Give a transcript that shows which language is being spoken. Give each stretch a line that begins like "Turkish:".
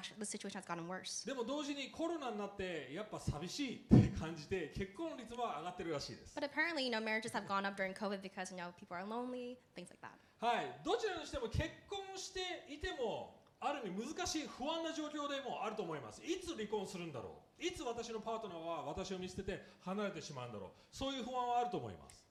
Japanese: でも同時にコロナになってやっぱ寂しいって感じて結婚率も上がってるらしいです。
English: But apparently, you know, marriages have gone up during COVID because, you know, people are lonely, things like that.
Japanese: はい、どちらにしても結婚していてもある意味難しい不安な状況でもあると思います。いつ離婚するんだろう、いつ私のパートナーは私を見捨てて離れてしまうんだろう、そういう不安はあると思います。